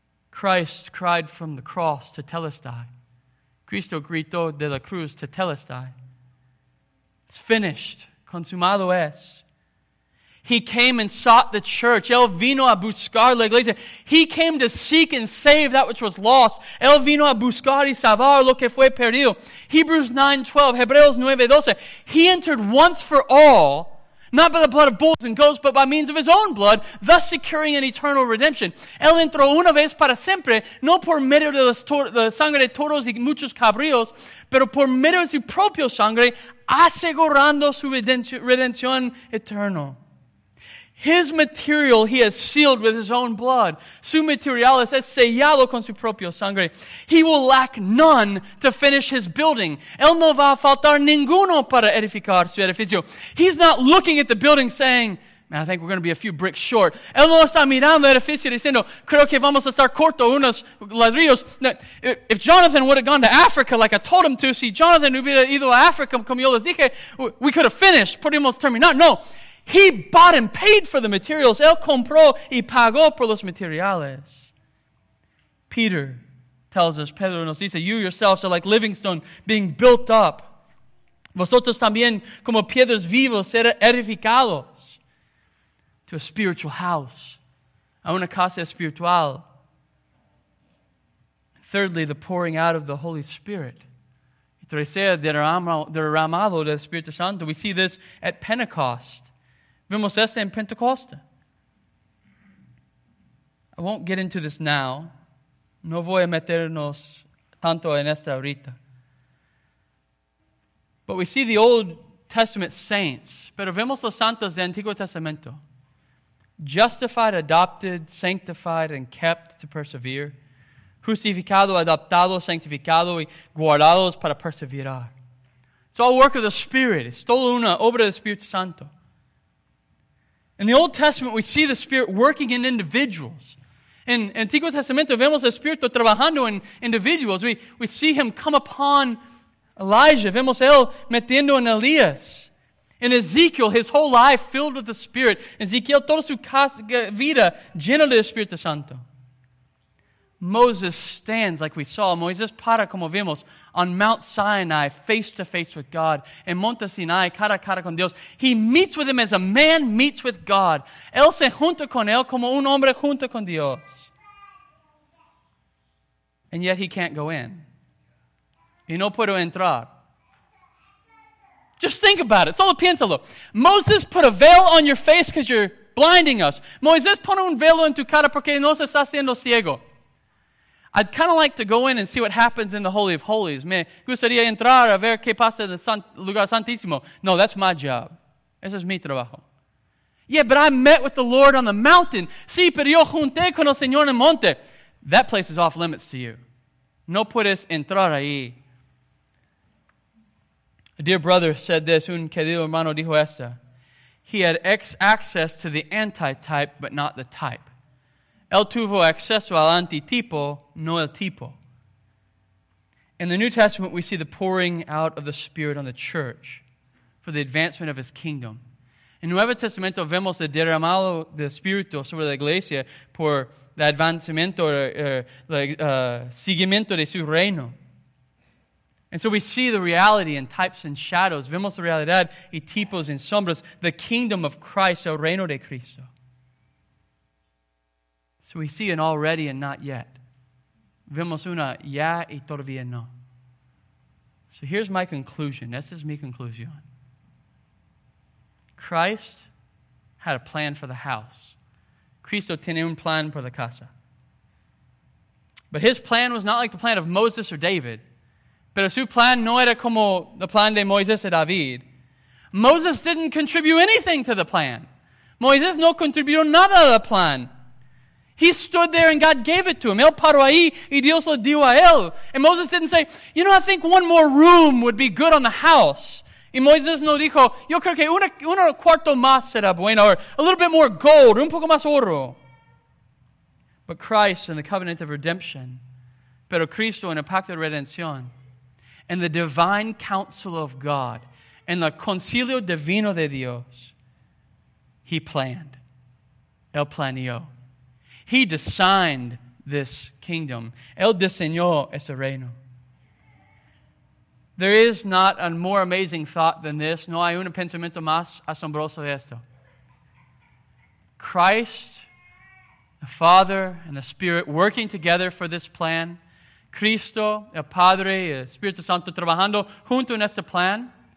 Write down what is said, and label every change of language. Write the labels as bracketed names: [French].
[English] Christ cried from the cross, tetelestai. [Spanish] Cristo gritó de la cruz, tetelestai. [English] It's finished, [Spanish] consumado es. [English] He came and sought the church. [Spanish] Él vino a buscar la iglesia. [English] He came to seek and save that which was lost. [Spanish] Él vino a buscar y salvar lo que fue perdido. [English] Hebrews 9:12, Hebreos 9:12. He entered once for all, not by the blood of bulls and goats, but by means of his own blood, thus securing an eternal redemption. [Spanish] Él entró una vez para siempre, no por medio de la sangre de toros y muchos cabríos, pero por medio de su propia sangre, asegurando su redención eterna. [English] His material he has sealed with his own blood. [Spanish] Su material es sellado con su propio sangre. [English] He will lack none to finish his building. [Spanish] Él no va a faltar ninguno para edificar su edificio. [English] He's not looking at the building saying, man, I think we're going to be a few bricks short. [Spanish] Él no está mirando el edificio diciendo, creo que vamos a estar corto unos ladrillos. [English] Now, if Jonathan would have gone to Africa like I told him to, [Spanish] si Jonathan hubiera ido a Africa, como yo les dije, [English] we could have finished. [Spanish] Podemos terminar. No. [English] He bought and paid for the materials. [Spanish] Él compró y pagó por los materiales. [English] Peter tells us, [Spanish] Pedro nos dice, [English] you yourselves are like living stone being built up. [Spanish] Vosotros también como piedras vivas ser edificados [English] to a spiritual house, [Spanish] a una casa espiritual. [English] Thirdly, the pouring out of the Holy Spirit. [Spanish] Tercero, derramado del Espíritu Santo. [English] We see this at Pentecost. [Spanish] Vemos esto en Pentecostés. [English] I won't get into this now. [Spanish] No voy a meternos tanto en esta ahorita. [English] But we see the Old Testament saints. [Spanish] Pero vemos los santos del Antiguo Testamento. [English] Justified, adopted, sanctified, and kept to persevere. [Spanish] Justificado, adoptado, sanctificado, y guardados para perseverar. [English] It's all work of the Spirit. [Spanish] Es toda una obra del Espíritu Santo. [English] In the Old Testament, we see the Spirit working in individuals. [Spanish] In Antiguo Testamento, vemos el Espíritu trabajando en individuals. [English] We see him come upon Elijah. [Spanish] Vemos él metiendo en Elías. [English] In Ezekiel, his whole life filled with the Spirit. [Spanish] Ezekiel, toda su vida llena del Espíritu Santo. [English] Moses stands, like we saw. [Spanish] Moisés para, como vimos, [English] on Mount Sinai, face to face with God. [Spanish] En Monte Sinai, cara a cara con Dios. [English] He meets with him as a man meets with God. [Spanish] Él se junta con él como un hombre junto con Dios. [English] And yet he can't go in. [Spanish] Y no puedo entrar. [English] Just think about it. [Spanish] Solo piénsalo. [English] Moses put a veil on your face because you're blinding us. [Spanish] Moisés pone un velo en tu cara porque nos está haciendo ciego. [English] I'd kind of like to go in and see what happens in the Holy of Holies. [Spanish] Me gustaría entrar a ver qué pasa en el lugar santísimo. [English] No, that's my job. [Spanish] Ese es mi trabajo. [English] Yeah, but I met with the Lord on the mountain. [Spanish] Sí, pero yo junté con el Señor en el monte. [English] That place is off limits to you. [Spanish] No puedes entrar ahí. [English] A dear brother said this. [Spanish] Un querido hermano dijo esta. [English] He had access to the anti-type, but not the type. [Spanish] Él tuvo acceso al antitipo, no el tipo. [English] In the New Testament, we see the pouring out of the Spirit on the church for the advancement of his kingdom. [Spanish] In Nuevo Testamento, vemos el derramado del Espíritu sobre la iglesia por el advancimiento, seguimiento de su reino. [English] And so we see the reality in types and shadows. [Spanish] Vemos la realidad y tipos en sombras, [English] the kingdom of Christ, [Spanish] el reino de Cristo. [English] So we see an already and not yet. [Spanish] Vemos una ya y todavía no. [English] So here's my conclusion. This is mi conclusión. Christ had a plan for the house. [Spanish] Cristo tiene un plan por la casa. [English] But his plan was not like the plan of Moses or David. [Spanish] Pero su plan no era como el plan de Moisés y David. [English] Moses didn't contribute anything to the plan. [Spanish] Moisés no contribuyó nada a la plan. [English] He stood there and God gave it to him. [Spanish] Él paró ahí y Dios lo dio a él. [English] And Moses didn't say, you know, I think one more room would be good on the house. [Spanish] Y Moisés no dijo, yo creo que uno cuarto más será bueno. [English] Or a little bit more gold, [Spanish] un poco más oro. [English] But Christ and the covenant of redemption. [Spanish] Pero Cristo en el pacto de redención. [English] And the divine counsel of God. And the [Spanish] concilio divino de Dios. [English] He planned. [Spanish] Él planeó. [English] He designed this kingdom. [Spanish] Él diseñó ese reino. [English] There is not a more amazing thought than this. [Spanish] No hay un pensamiento más asombroso de esto. [English] Christ, the Father, and the Spirit working together for this plan. [Spanish] Cristo, el Padre, y el Espíritu Santo trabajando junto en este plan.